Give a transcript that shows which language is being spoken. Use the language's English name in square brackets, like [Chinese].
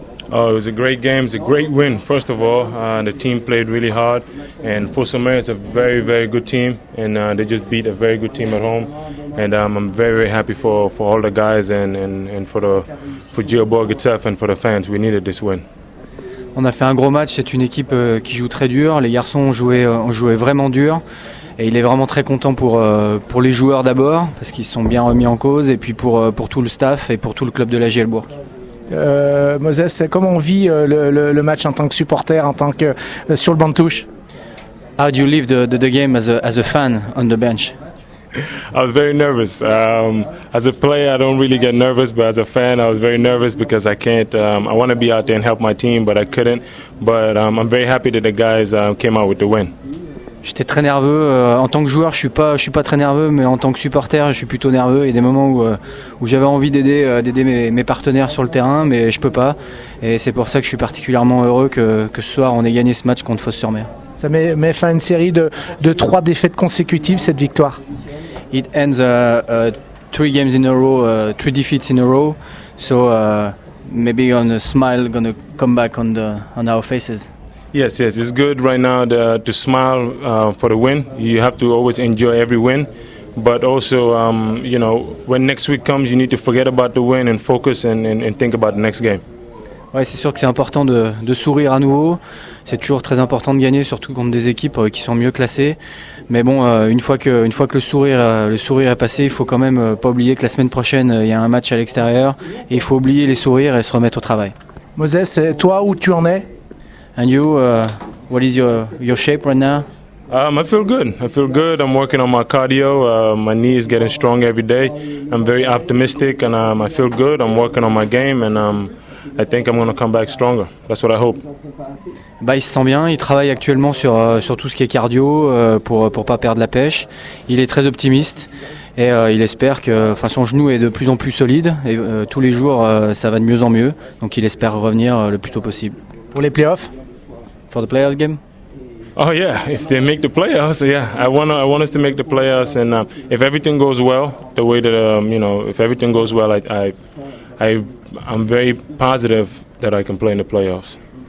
[English] Oh, it was a great game. It was a great win, first of all. The team played really hard. And Fosamé is a very, very good team. And they just beat a very good team at home. And I'm very, very happy for all the guys and for Geoborg itself and for the fans. We needed this win. [French] On a fait un gros match. C'est une équipe qui joue très dur. Les garçons ont joué vraiment dur. Et il est vraiment très content pour les joueurs d'abord, parce qu'ils sont bien remis en cause. Et puis pour tout le staff et pour tout le club de la Geoborg. Moses, comment on vit le match en tant que supporter, en tant que sur le banc de touche? [English] How do you live the game as a fan on the bench? I was very nervous. As a player, I don't really get nervous, but as a fan, I was very nervous because I can't. I want to be out there and help my team, but I couldn't. But I'm very happy that the guys came out with the win. [French] J'étais très nerveux. En tant que joueur, je suis pas très nerveux, mais en tant que supporter, je suis plutôt nerveux. Il y a des moments où j'avais envie d'aider mes partenaires sur le terrain, mais je peux pas. Et c'est pour ça que je suis particulièrement heureux que ce soir on ait gagné ce match contre Fos-sur-Mer. Ça met fin à une série de trois défaites consécutives, cette victoire. [English] It ends three games in a row, three defeats in a row. So maybe on a smile gonna come back on our faces. Yes, it's good right now to smile for the win. You have to always enjoy every win, but also, you know, when next week comes, you need to forget about the win and focus and think about the next game. [French] Ouais, c'est sûr que c'est important de sourire à nouveau. C'est toujours très important de gagner, surtout contre des équipes qui sont mieux classées. Mais bon, une fois que le sourire est passé, il faut quand même pas oublier que la semaine prochaine il y a un match à l'extérieur et il faut oublier les sourires et se remettre au travail. Moses, toi où tu en es? [English] And you, what is your shape right now? I feel good. I feel good. I'm working on my cardio. My knee is getting strong every day. I'm very optimistic and I feel good. I'm working on my game and I think I'm going to come back stronger. That's what I hope. [French] Bah, il se sent bien. Il travaille actuellement sur tout ce qui est cardio pour pas perdre la pêche. Il est très optimiste et il espère que son genou est de plus en plus solide et tous les jours ça va de mieux en mieux. Donc il espère revenir le plus tôt possible. Pour les playoffs? [English] For the playoff game? Oh yeah, if they make the playoffs, yeah. I want us to make the playoffs, and if everything goes well, the way that if everything goes well, I'm very positive that I can play in the playoffs.